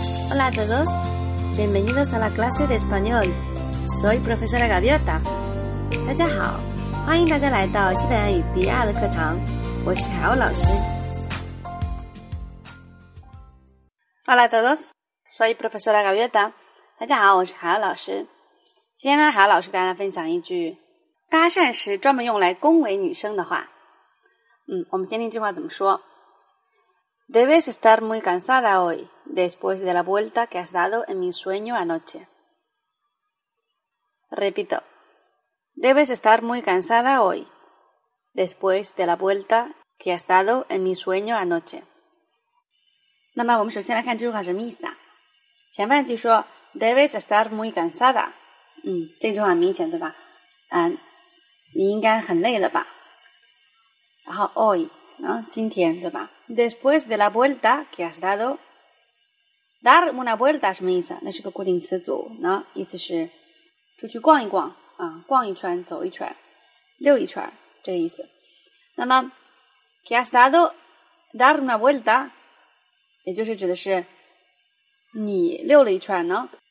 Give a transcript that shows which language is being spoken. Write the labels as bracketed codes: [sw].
[es] Hola a todos, bienvenidos a la clase de español. Soy profesora Gaviota. [zh] 大家好，欢迎大家来到西班牙语 B2 的课堂，我是海鸥老师。 [es] Hola a todos, soy profesora Gaviota. [zh] 大家好，我是海鸥老师。今天呢，海鸥老师跟大家分享一句搭讪时专门用来恭维女生的话。我们先听这句话怎么说。 [es] Debes estar muy cansada hoy, después de la vuelta que has dado en mi sueño anoche. Repito, debes estar muy cansada hoy, después de la vuelta que has dado en mi sueño anoche. [zh] 那么我们首先来看这句话什么意思啊？前半句说 [es] debes estar muy cansada, [zh] 这句话很明显对吧？你应该很累了吧？然后 hoy, 今天对吧？ [es] Después de la vuelta que has dado, dar una vuelta [zh] 什么意思？那是个固定词组，意思是出去逛一逛啊，逛一圈，走一圈，溜一圈，这个意思。那么 [es] que has dado dar una vuelta, [zh] 也就是指的是你溜了一圈呢。